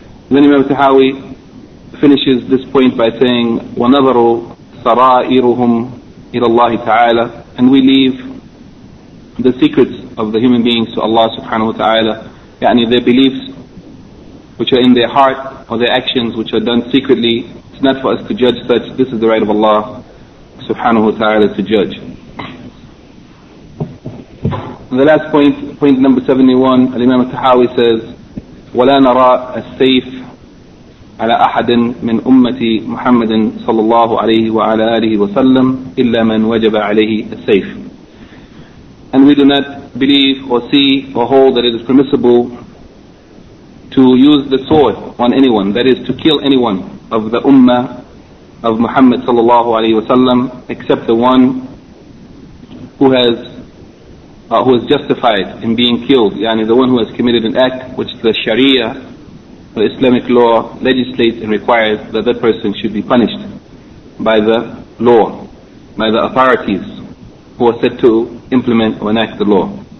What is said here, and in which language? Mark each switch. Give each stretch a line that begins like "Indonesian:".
English: Then Imam Tahawi finishes this point by saying, وَنَظَرُوا سَرَائِرُهُمْ إِلَى اللَّهِ تَعَالَى, and we leave the secrets of the human beings to Allah subhanahu wa ta'ala, يعني their beliefs which are in their heart or their actions which are done secretly. It's not for us to judge such. This is the right of Allah subhanahu wa ta'ala to judge.
Arabic: And the last point, point number 71, Al-Imam al-Tahawi says, وَلَا نَرَى السَّيْفَ عَلَىٰ أَحَدٍ مِّنْ أُمَّةِ مُحَمَّدٍ صَلَى اللَّهُ عَلَيْهِ وَعَلَىٰ آلِهِ وَسَلَّمْ إِلَّا مَنْ وَجَبَ عَلَيْهِ السَّيْفَ.
English: And we do not believe or see or hold that it is permissible to use the sword on anyone, that is to kill anyone of the ummah of Muhammad sallallahu alayhi wa sallam, except the one who is justified in being killed, yani the one who has committed an act which the Sharia, the Islamic law, legislates and requires that that person should be punished by the law, by the authorities who are set to implement or enact the law.